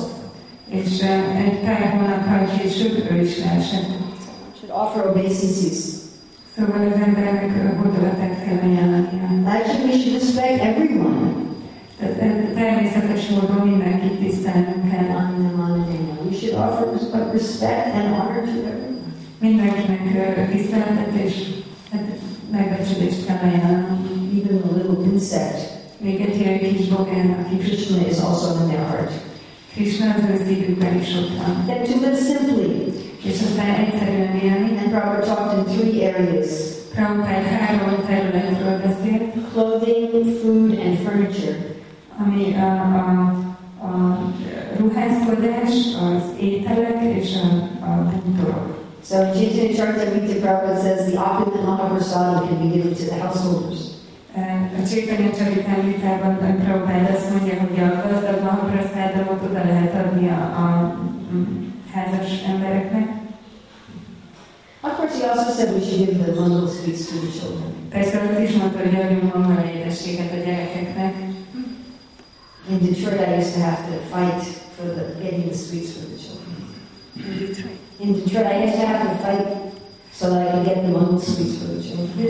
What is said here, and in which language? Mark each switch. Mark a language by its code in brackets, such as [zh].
[en] fell. [hu] És egy pár hónappal később ő is leesett. [en] Should offer obeisances. [hu] Szóval az embernek a hódolatát kell ajánlania. [en] Actually, we should respect everyone. [hu] Természetes módon mindenkit tisztelnünk kell. [en] We should offer respect and honor to everyone. [hu] Mindenkinek tiszteletet és megbecsülést kell ajánlani. [en] Even a little insect. [hu] Még egy ilyen kis bogának. [en] Krishna is also in their heart. [hu] Krishna az ő szívükben is ott van. [en] Get to live simply. [hu] És aztán egyszerűen élni. [en] And Prabhupada talked in three areas. [hu] Prabhupada három területről beszélt. [en] Clothing, food and furniture. [hu] Ami a ruházkodás, az ételek és a bútorok. [en] So Chaitanya Charitamrita Prabhupada says the opulent Mahaprasada can be given to the householders. [hu] A Chaitanya Charitamritában Prabhupada azt mondja, hogy a gazdag Mahaprasadamot oda lehet adni a házas embereknek. [en] Of course, he also said we should give the mandala sweets to the children. [hu] Persze, azt is mondta, hogy adjunk mandala édességet a gyerekeknek. [en] In Detroit, I used to have to fight for the getting the sweets for the children. In Detroit. In Detroit, I used to have to fight so that I could get the mango sweets for the children.